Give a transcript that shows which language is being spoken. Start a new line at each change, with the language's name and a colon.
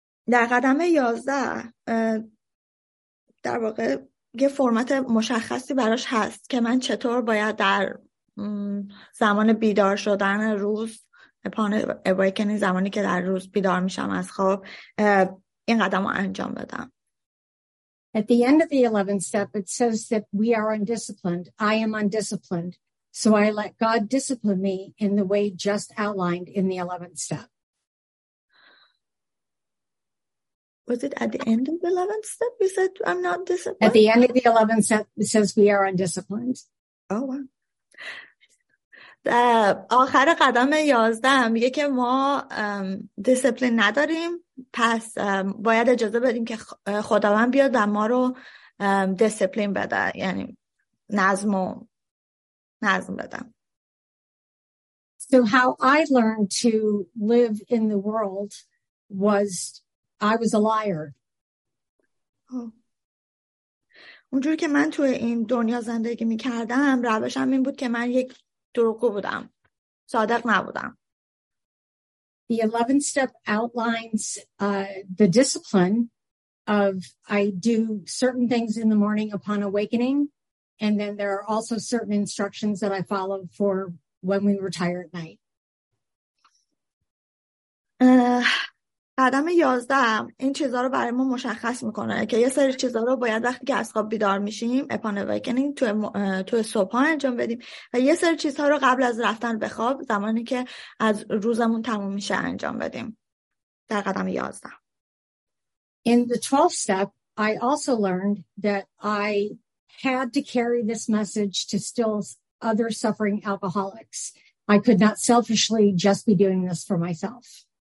Persian: در قدم 11 در واقع یه فرمت مشخصی براش هست که من چطور باید در زمان بیدار شدن روز،
English: upon awakening،
Persian: زمانی که در روز بیدار میشم از خواب، این قدم رو انجام بدم.
English: At the end of the 11th step, it says that we are undisciplined. I am undisciplined. So I let God discipline me in the way just outlined in the 11th step. Was it at the end of the 11th step? You said I'm not disciplined? At the end of the 11th step, it says we are undisciplined. Oh, wow.
Persian: آخر قدم 11 میگه که ما دیسپلین نداریم، پس باید اجازه بدیم که خداوند بیاد و ما رو دیسپلین بده، یعنی نظم بده.
English: So how I learned to live in the world was I was a liar.
Persian: اونجوری که من توی این دنیا زندگی میکردم، روشم این بود که من یک دروغگو بودم، صادق نبودم.
English: The 11th step outlines the discipline of I do certain things in the morning upon awakening, and then there are also certain instructions that I follow for when we retire at night.
Persian: قدم 11 این چیزها رو برای ما مشخص میکنه که یه سری چیزها رو باید وقتی که از خواب بیدار میشیم
English: upon awakening
Persian: توی صبح انجام بدیم و یه سری چیزها رو قبل از رفتن به خواب زمانی که از روزمون تموم میشه انجام بدیم در قدم 11.
English: In the 12th step, I also learned that I had to carry this message to still other suffering alcoholics. I could not selfishly just be doing this for myself.